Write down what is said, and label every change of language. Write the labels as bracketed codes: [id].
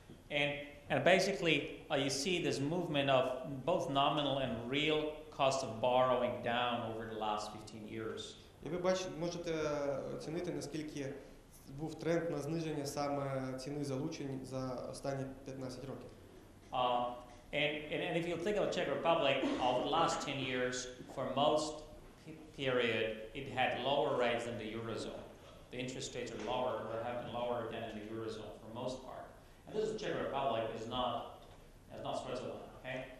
[en] And basically, you see this movement of both nominal and real cost of borrowing down over the last 15 years. [uk] І ви бачите, можете оцінити, наскільки був тренд на зниження саме ціни залучень за останні 15 років. [en] And if you think of Czech Republic, over the last 10 years, for most period, it had lower rates than the Eurozone. The interest rates are lower, or have been lower than in the Eurozone for most part. And this is Czech Republic, it's not Switzerland, okay?